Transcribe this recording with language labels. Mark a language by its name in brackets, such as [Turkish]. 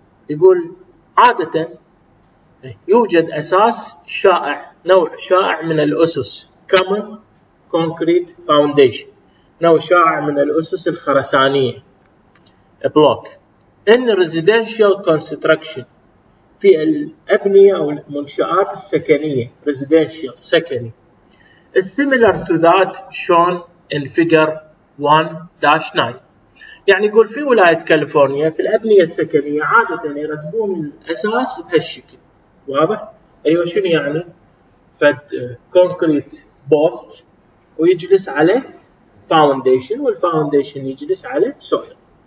[Arabic] يقول عادة يوجد أساس شائع، نوع شائع من الأسس، [English] common concrete foundation، [Arabic] نوع شائع من الأسس الخرسانية، [English] block in residential construction، [Arabic] في الأبنية أو المنشآت السكنية، residential سكني. [English] Similar to that shown in figure 1-9. [Arabic] يعني يقول في ولاية كاليفورنيا في الأبنية السكنية عادة يرتبون الأساس بهالشكل. واضح؟ أيوة. شنو يعني؟ فد كونكريت بوست ويجلس على فاونديشن، والفاونديشن يجلس على سويل.